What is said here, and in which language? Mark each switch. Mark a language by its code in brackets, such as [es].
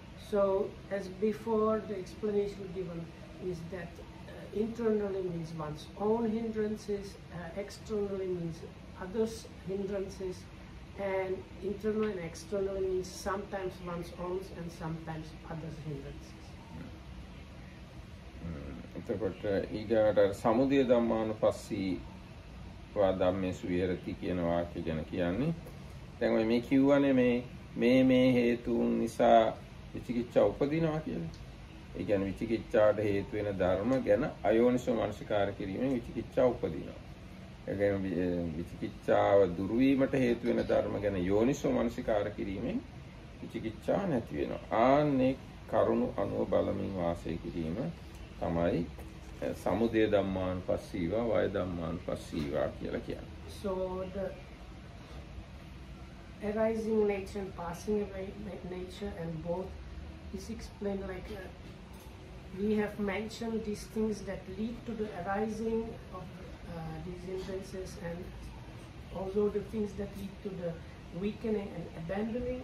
[en] So as before, the explanation given is that internally means one's own hindrances, externally means others' hindrances, and internal and external means sometimes one's own and sometimes others' hindrances. [si] එතකොට ඊගාට [pi] සමුදය ධම්මානුපස්සී වා ධම්මේසු විහෙරති [si] කියන වාක්‍ය ගැන කියන්නේ දැන් මේ කියවනේ මේ හේතුන් නිසා විචිකිච්ඡා උපදිනවා කියන්නේ. ඒ කියන්නේ විචිකිච්ඡාට හේතු වෙන ධර්ම ගැන අයෝනිසෝ මනසිකාර කිරීමෙන් විචිකිච්ඡා උපදිනවා. ඒ කියන්නේ විචිකිච්ඡාව දුරු වීමට හේතු වෙන ධර්ම ගැන යෝනිසෝ මනසිකාර කිරීමෙන් විචිකිච්ඡා නැති වෙනවා. ආන්නේ කරුණු අනුව බලමින් වාසය කිරීම තමයි සමුදය ධම්මාන් පස්සීව වය ධම්මාන් පස්සීව කියලා කියන්නේ. [en] So the arising nature and passing away nature and both is explained like we have mentioned these things that lead to the arising of these hindrances, and also the things that lead to the weakening and abandoning.